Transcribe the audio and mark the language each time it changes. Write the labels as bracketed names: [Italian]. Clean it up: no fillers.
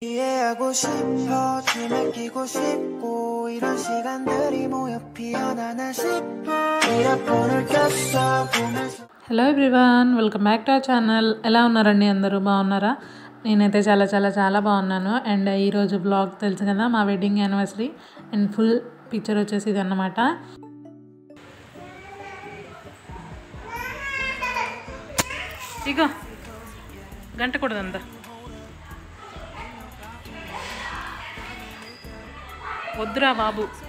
[Korean] 얘기하고 싶어 줄 맡기고 싶고 이런 시간들이 모여 피어나나 싶어 이어폰을 꼈어 보면서 [English] Hello everyone, welcome back to our channel. [Telugu] Ela unnarandi andaru baunnara. నేనైతే చాలా చాలా చాలా బాగున్నాను. అండ్ ఈరోజు బ్లాగ్ తెలుసు కదా, మా wedding anniversary and full picture వచ్చేసి ఇది అన్నమాట. ఇగో గంట కూడా అంత వద్దురా బాబు.